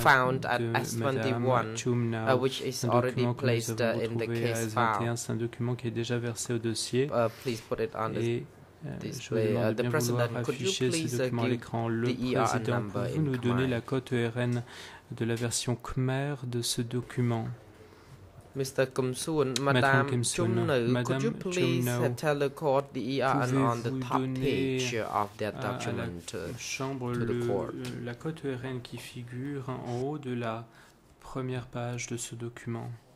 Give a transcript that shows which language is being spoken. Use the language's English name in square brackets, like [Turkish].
[English] Found at S21, which is already placed in the case file. [French] C'est un document qui est déjà versé au dossier. [English] Please put it on the the president, could you please give the ER number in Khmer? [French] Nous donner la cote ERN de la version Khmer de ce document. [English] Mr. Kim Soon, Madame Kim Soon, could you please tell the court the ERN on the top page of that document to the court? [French] La cote ERN qui figure en haut de la première page de ce document.